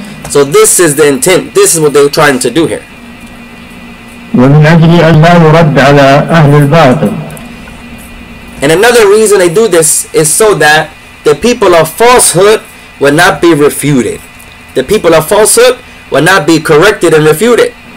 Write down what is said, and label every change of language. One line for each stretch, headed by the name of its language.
English: So this is the intent, this is what they're trying to do here.
Arabic: ومن أجل أن لا يرد على أهل الباطل.
English: And another reason they do this is so that the people of falsehood will not be refuted. The people of falsehood will not be corrected and refuted.